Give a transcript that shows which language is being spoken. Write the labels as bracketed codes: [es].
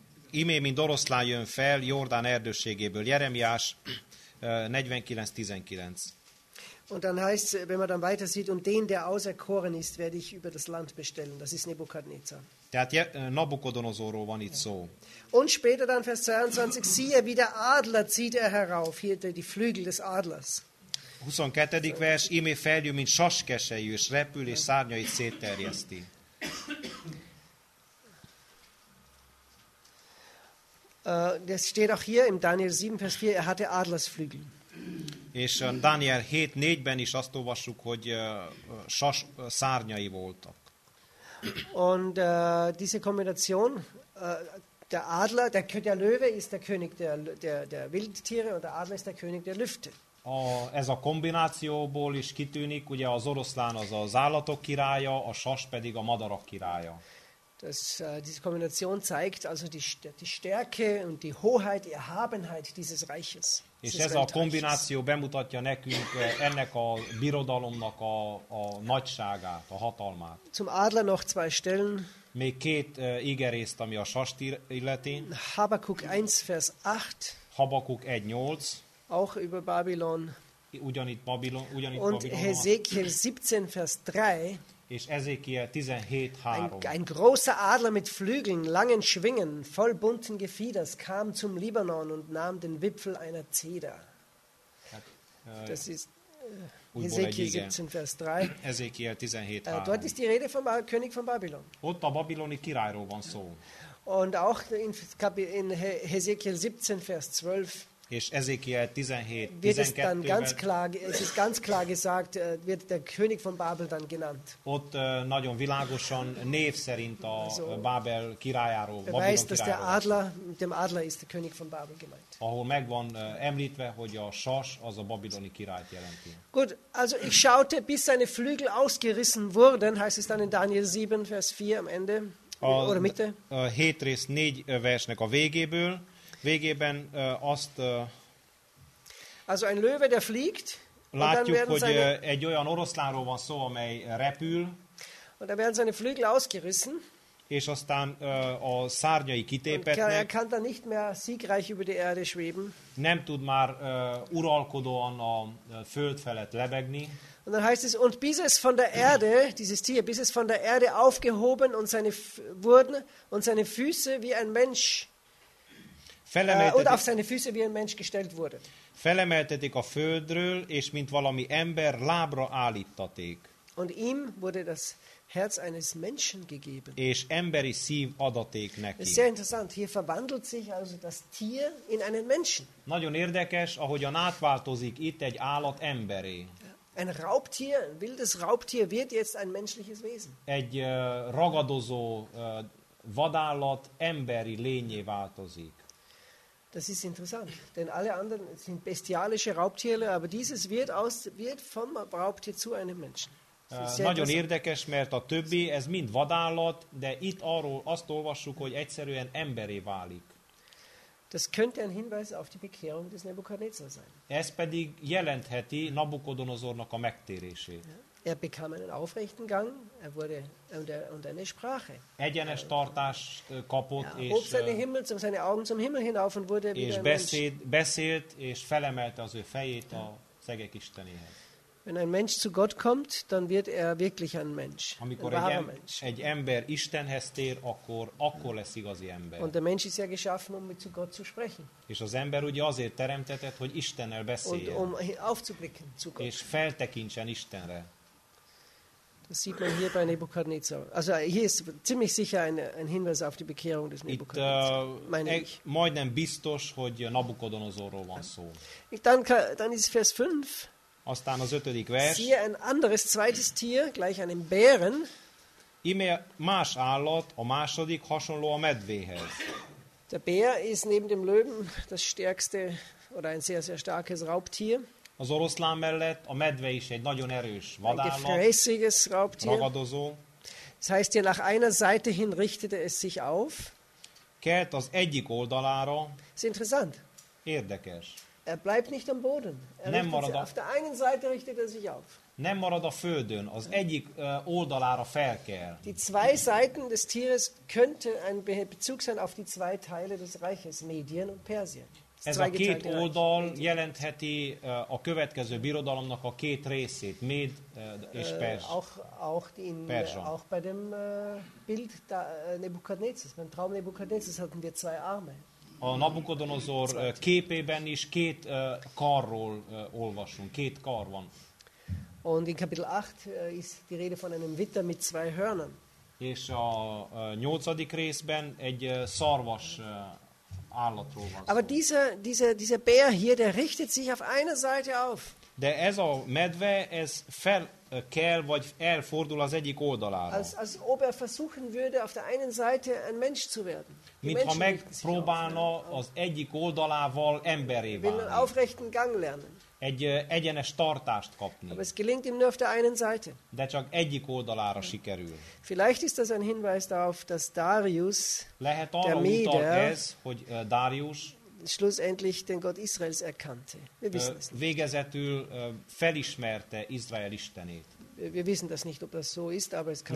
[hu] Ime, mint oroszlán jön fel Jordán erdőségéből. Jeremiás 49, 19. [de] Und dann heißt, wenn man dann weiter sieht, und den, der auserkoren ist, werde ich über das Land bestellen. Das ist Nebukadnezar. [hu] Tehát Nabukodonozorról van itt szó. [de] Und später dann Vers 22, siehe, wie der Adler zieht er herauf, hier die Flügel des Adlers. [hu] 22. vers, ime feljő, mint saskesejű, és repül, és szárnyait szétterjeszti. [de] Das steht auch hier im Daniel 7, Vers 4, er hatte Adlersflügel. [hu] És Daniel 7:4-ben is azt olvassuk, hogy sas szárnyai voltak. [de] Und diese Kombination der Adler, der Löwe ist der König der Wildtiere und der Adler ist der König der Lüfte. [hu] Ez a kombinációból is kitűnik, ugye az oroszlán az az állatok királya, a sas pedig a madarak királya. [de] Das, diese Kombination zeigt also die Stärke und die Hoheit, die Erhabenheit dieses Reiches. [hu] És ez a kombináció bemutatja nekünk ennek a birodalomnak a nagyságát, a hatalmát. [de] Zum Adler noch zwei Stellen. [hu] Még két ígerészt, ami a sast illeti. [de] Habakkuk 1, Vers 8. [hu] Habakkuk 1, 8. [de] Auch über Babylon. [hu] Ugyanitt Babylon. Ugyanitt [de] und Babylon. Hezekiel 17, Vers 3. [hu] És Ezekiel 17:3. [de] Ein großer Adler mit Flügeln, langen Schwingen, voll bunten Gefieders kam zum Libanon und nahm den Wipfel einer Zeder. Das ist Ezekiel 17, Vers 3. [hu] Ezekiel 17:3. [de] Dort ist die Rede vom König von Babylon. [hu] Ott a babiloni királyról van szó. [de] Und auch in Ezekiel 17, Vers 12. [hu] És Ezekiel 17:12. [de] Es ist ganz klar gesagt, wird der König von Babel dann genannt. [hu] Ott nagyon világosan név szerint a Bábel királyáról, Babylon királyáról. [de] Weißt, dass der Adler, mit dem Adler ist der König von Babel gemeint. [hu] Ahol megvan említve, hogy a sas az a babiloni királyt jelenti. [de] Gut, also ich schaute, bis seine Flügel ausgerissen wurden, heißt es dann in Daniel 7, Vers 4 am Ende, oder Mitte. [hu] A 7 rész 4 versnek a végéből. Végében azt [de] also ein Löwe, der fliegt, [hu] látjuk, hogy egy olyan oroszlánról van szó, amely repül, [de] und dann werden seine Flügel ausgerissen, [hu] és aztán a szárnyai kitépetnek, [de] und er kann dann nicht mehr siegreich über die Erde schweben, [hu] nem tud már uralkodóan a föld felett lebegni. [de] Und dann heißt es, und bis es von der Erde, dieses Tier, bis es von der Erde aufgehoben und seine wurden und seine Füße wie ein Mensch oder auf seine Füße wie ein Mensch gestellt wurde. [hu] Felemeltetik a földről, és mint valami ember lábra állítaték. [de] Und ihm wurde das Herz eines Menschen gegeben. [hu] És emberi szív adaték neki. [de] Es ist sehr interessant, hier verwandelt sich also das Tier in einen Menschen. [hu] Nagyon érdekes, ahogyan átváltozik itt egy állat emberé. [de] Ein Raubtier, ein wildes Raubtier wird jetzt ein menschliches Wesen. [hu] Egy ragadozó vadállat emberi lényé változik. [de] Das ist interessant, denn alle anderen sind bestialische Raubtiere, aber dieses wird vom Raubtier zu einem Menschen. [hu] Nagyon érdekes, mert a többi, ez mind vadállat, de itt arról azt olvassuk, hogy egyszerűen emberé válik. [de] Das könnte ein Hinweis auf die Bekehrung des Nebukadnezar sein. [hu] Ez pedig jelentheti Nabukodonozornak a megtérését. [de] Er bekam einen aufrechten Gang, er wurde und eine Sprache. [hu] Egyenes tartást kapott, ja, [de] hob seine Himmel, seine Augen zum Himmel hinauf und wurde wieder [hu] beszélt és felemelte az ő fejét, ja, a szegek Istenéhez. [de] Wenn ein Mensch zu Gott kommt, dann wird er wirklich ein Mensch. [hu] Amikor egy ember Istenhez tér, akkor lesz igazi ember. [de] Und der Mensch ist ja geschaffen, um mit zu Gott zu sprechen. [hu] És az ember ugye azért teremtetett, hogy Istennel beszéljen. [de] Und um aufzublicken zu Gott. [hu] És feltekintsen Istenre. [de] Das sieht man hier bei Nebukadnezar. Also hier ist ziemlich sicher ein Hinweis auf die Bekehrung des Nebukadnezar. Dann ist Vers 5. [hu] Aztán az ötödik vers. [de] Siehe ein anderes, zweites Tier, gleich einem Bären. [hu] Íme más állat, a második, hasonló a medvéhez. [de] Der Bär ist neben dem Löwen das stärkste oder ein sehr, sehr starkes Raubtier. [hu] Az oroszlán mellett a medve is egy nagyon erős vadállat. [de] Ein gefräßiges Raubtier. [hu] Ragadozó. [de] Das heißt, hier nach einer Seite hin richtete es sich auf. [hu] Kelt az egyik oldalára. [de] Das ist interessant. [hu] Érdekes. [de] Er bleibt nicht am Boden. [hu] Nem marad [de] auf der einen Seite richtet er sich auf. [hu] Nem marad a földön, az egyik oldalára felkel. [de] Die zwei Seiten des Tieres könnte ein Bezug sein auf die zwei Teile des Reiches, Medien und Persien. [hu] Ez a két oldal jelentheti a következő birodalomnak a két részét, Méd és Perzs. [de] Auch bei dem Bild da Nebukadnezars, beim Traum Nebukadnezars hatten wir zwei Arme. [hu] A Nabukodonozor képében is két karról olvasunk, két kar van. [de] Und in Kapitel 8 ist die Rede von einem Witter mit zwei Hörnern. [hu] És a nyolcadik részben egy szarvas állatról van szó. [de] Aber dieser Bär hier, der richtet sich auf einer Seite auf. [hu] De ez a medve, ez fel kell, vagy elfordul az egyik oldalára. [de] Als ob er versuchen würde, auf der einen Seite ein Mensch zu werden. [hu] Mintha megpróbálna az egyik oldalával emberé válni. [de] Will einen aufrechten Gang lernen. [hu] Egy egyenes tartást kapni. [de] Aber es gelingt ihm nur auf der einen Seite. [hu] De csak egyik oldalára sikerül. [de] Vielleicht ist das ein Hinweis darauf, dass Darius, [hu] lehet arra [de] der Méder, [hu] utal ez, hogy Darius, [de] schlussendlich den Gott Israels erkannte. Wir wissen es nicht. [hu] Végezetül felismerte Izrael Istenét. [de] Wir wissen das nicht, ob das so ist, aber es kann